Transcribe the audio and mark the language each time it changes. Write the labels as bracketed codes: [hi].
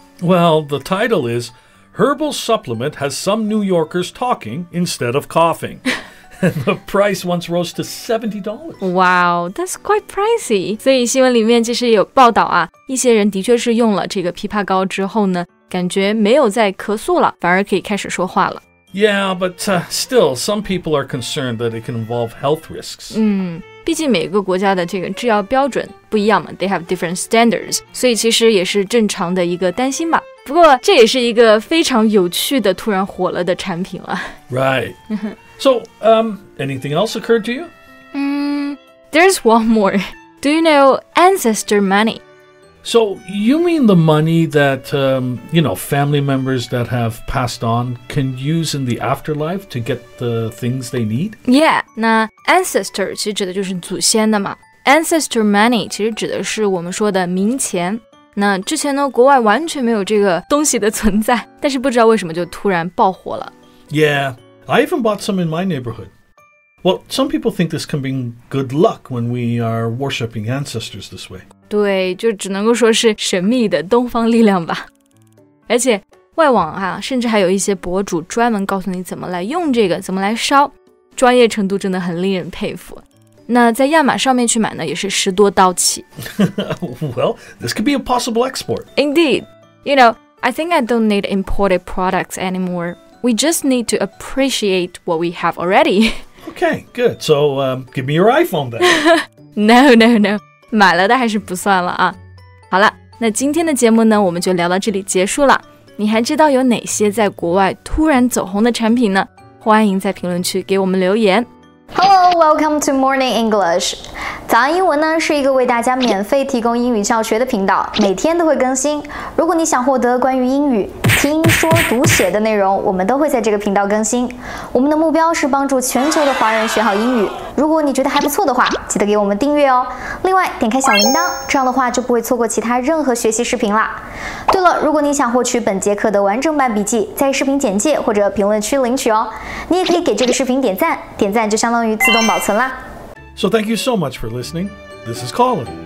[en] Well, the title is Herbal Supplement Has Some New Yorkers Talking Instead of Coughing. And the price once rose to $70. Wow, that's quite pricey. [zh] 所以新闻里面其实有报道啊，一些人的确是用了这个枇杷膏之后呢，感觉没有再咳嗽了，反而可以开始说话了。 [en] Yeah, but、still, some people are concerned that it can involve health risks. [zh] 毕竟每个国家的这个制药标准不一样嘛 ， [en] they have different standards， [zh] 所以其实也是正常的一个担心吧。不过这也是一个非常有趣的突然火了的产品了。 [en] Right. So, anything else occurred to you? There's one more. Do you know ancestor money? So you mean the money that you know family members that have passed on can use in the afterlife to get the things they need? [zh] Yeah, 那 ancestor 其实指的就是祖先的嘛。 Ancestor money 其实指的是我们说的冥钱。那之前呢，国外完全没有这个东西的存在，但是不知道为什么就突然爆火了。 [en] Yeah, I even bought some in my neighborhood. Well, some people think this can bring good luck when we are worshiping ancestors this way. [zh] 对，就只能够说是神秘的东方力量吧。而且外网啊，甚至还有一些博主专门告诉你怎么来用这个，怎么来烧，专业程度真的很令人佩服。那在亚马上面去买呢，也是十多刀起。 [en] Well, this could be a possible export. Indeed. You know, I think I don't need imported products anymore. We just need to appreciate what we have already. Okay, good. So, give me your iPhone then. [zh] No. 买了的还是不算了啊。好了，那今天的节目呢，我们就聊到这里结束了。你还知道有哪些在国外突然走红的产品呢？欢迎在评论区给我们留言。 [en] Hello, welcome to Morning English. [zh] 早安英文呢，是一个为大家免费提供英语教学的频道，每天都会更新。如果你想获得关于英语听说读写的内容，我们都会在这个频道更新。我们的目标是帮助全球的华人学好英语。如果你觉得还不错的话，记得给我们订阅哦。另外，点开小铃铛，这样的话就不会错过其他任何学习视频啦。对了，如果你想获取本节课的完整版笔记，在视频简介或者评论区领取哦。你也可以给这个视频点赞，点赞就相当于自动保存啦。 [en] So thank you so much for listening. This is Colin.